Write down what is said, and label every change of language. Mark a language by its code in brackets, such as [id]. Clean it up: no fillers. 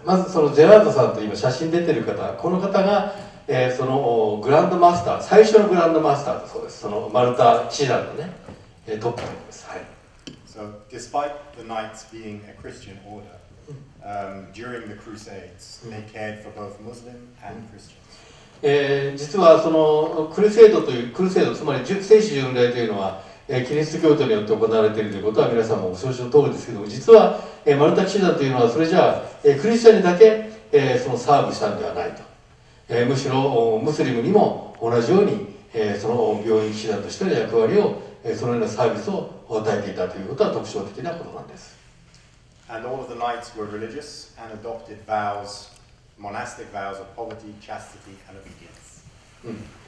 [ja] まずそのジェラードさんと今写真出てる方、この方が、そのグランドマスター、最初のグランドマスターだそうです。そのマルタ騎士団のね、トップです。はい。 [en] So, despite the knights being a Christian order, during the Crusades, they cared for both Muslim and Christian. [ja] 実はそのクルセード、つまり聖地巡礼というのは、キリスト教徒によって行われているということは皆さんもお承知の通りですけども、実は、マルタ騎士団というのはそれじゃあ、クリスチャンにだけ、そのサーブしたんではないと、むしろムスリムにも同じように、その病院騎士団としての役割を、そのようなサービスを与えていたということは特徴的なことなんです。 [en] And all of the knights were religious and adopted vows, monastic vows of poverty, chastity and obedience.